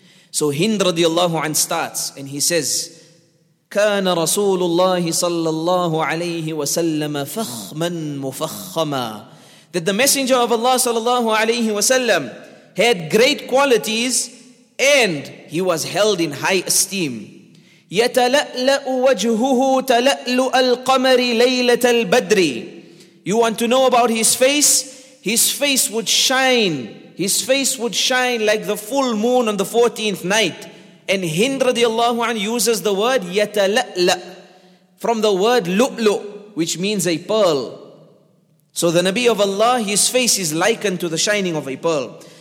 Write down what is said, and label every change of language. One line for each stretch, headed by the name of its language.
English: So Hind radiyallahu an starts and he says,
Arabic: كان رسول الله صلى الله عليه وسلم فخما مفخما.
English: That the Messenger of Allah صلى الله عليه وسلم had great qualities and he was held in high esteem.
Arabic: يتلألأ وجهه تلألأ القمر ليلة البدر.
English: You want to know about his face? His face would shine. His face would shine like the full moon on the 14th night. And Hind radiallahu anhu uses the word yatala'la from the word lu'lu, which means a pearl. So the Nabi of Allah, his face is likened to the shining of a pearl.